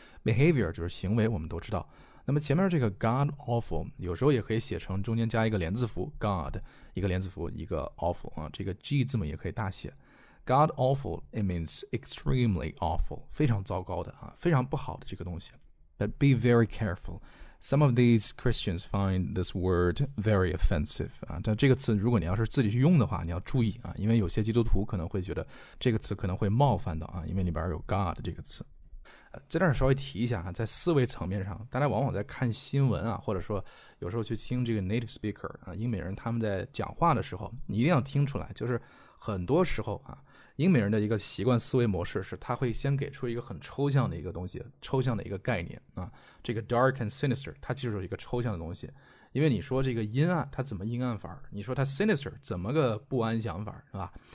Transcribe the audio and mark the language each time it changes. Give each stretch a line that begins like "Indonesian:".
Chinese: Behavior 就是行为，我们都知道。那么前面这个 God awful 有时候也可以写成中间加一个连字符 God 一个连字符一个 awful 啊，这个 G 字母也可以大写。
English: God awful it means extremely awful
Chinese: 非常糟糕的啊，非常不好的这个东西。
English: But be very careful. Some of these Christians find this word very offensive.
Chinese: 但这个词如果你要是自己去用的话你要注意啊，因为有些基督徒可能会觉得这个词可能会冒犯到啊，因为里边有 God 这个词。在这儿稍微提一下啊，在思维层面上大家往往在看新闻啊，或者说有时候去听这个 native speaker 啊，英美人他们在讲话的时候你一定要听出来，就是很多时候啊英美人的一个习惯思维模式是他会先给出一个很抽象的一个东西，抽象的一个概念啊，这个
English: dark and sinister
Chinese: 它就是一个抽象的东西，因为你说这个阴暗它怎么阴暗法，你说它 sinister 怎么个不安详法，是吧？